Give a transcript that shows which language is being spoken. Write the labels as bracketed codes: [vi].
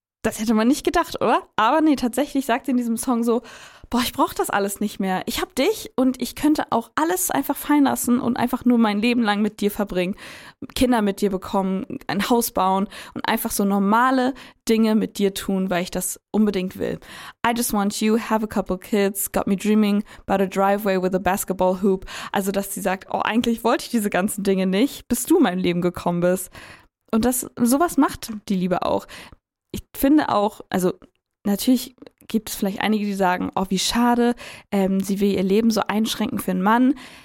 [de] Das hätte man nicht gedacht, oder? Aber nee, tatsächlich sagt sie in diesem Song so, boah, ich brauche das alles nicht mehr. Ich habe dich und ich könnte auch alles einfach fallen lassen und einfach nur mein Leben lang mit dir verbringen, Kinder mit dir bekommen, ein Haus bauen und einfach so normale Dinge mit dir tun, weil ich das unbedingt will. [en] I just want you, have a couple kids, got me dreaming about a driveway with a basketball hoop. [de] Also, dass sie sagt, oh, eigentlich wollte ich diese ganzen Dinge nicht, bis du in mein Leben gekommen bist. Und das, sowas macht die Liebe auch. Ich finde auch, also natürlich gibt es vielleicht einige, die sagen, oh, wie schade, sie will ihr Leben so einschränken für einen Mann.